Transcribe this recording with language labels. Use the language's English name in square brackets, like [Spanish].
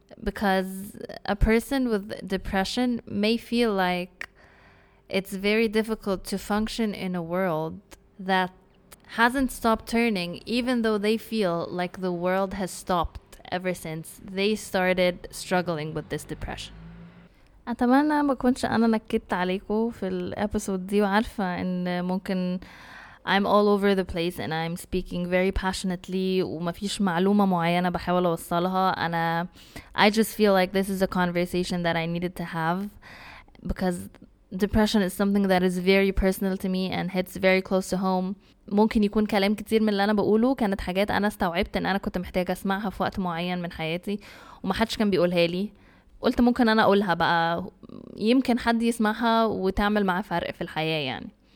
[English] Because a person with depression may feel like it's very difficult to function in a world that hasn't stopped turning, even though they feel like the world has stopped ever since they started struggling with this depression. [Arabic] أتمنى ما كنتش أنا نكدت عليكم في الأبسود دي وعارفة إن ممكن [English] I'm all over the place and I'm speaking very passionately [Arabic] وما فيش معلومة معينة بحاول أوصلها. أنا [English] I just feel like this is a conversation that I needed to have because depression is something that is very personal to me and hits very close to home. [Arabic] ممكن يكون كلام كتير من اللي أنا بقوله كانت حاجات أنا استوعبت إن أنا كنت محتاجة أسمعها في وقت معين من حياتي وما حدش كان بيقولها لي. قلت ممكن أنا أقولها بقى يمكن حد يسمعها وتعمل معه فرق في الحياة يعني.